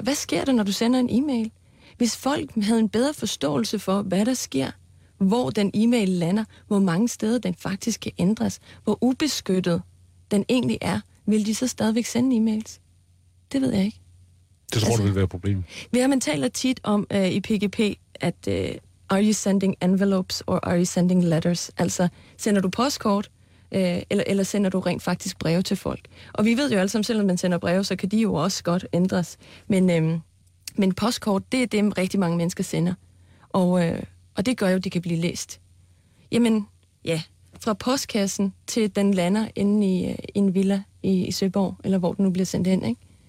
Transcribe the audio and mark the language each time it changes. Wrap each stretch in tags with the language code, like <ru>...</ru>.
<da>Hvad sker der, når du sender en e-mail? Hvis folk havde en bedre forståelse for, hvad der sker, hvor den e-mail lander, hvor mange steder den faktisk kan ændres, hvor ubeskyttet den egentlig er, vil de så stadigvæk sende e-mails? Det ved jeg ikke. Det tror altså, du vil være et problem. Man taler tit om i PGP, at</da> <en>are you sending envelopes or are you sending letters?</en> <da>Altså, sender du postkort, eller sender du rent faktisk breve til folk? Og vi ved jo alle sammen, selvom man sender breve, så kan de jo også godt ændres. Men postkort, det er dem rigtig mange mennesker sender. Og det gør jo, at de kan blive læst. Jamen, ja, fra postkassen til den lander inde i en villa i Søborg, eller hvor den nu bliver sendt hen, ikke?</da>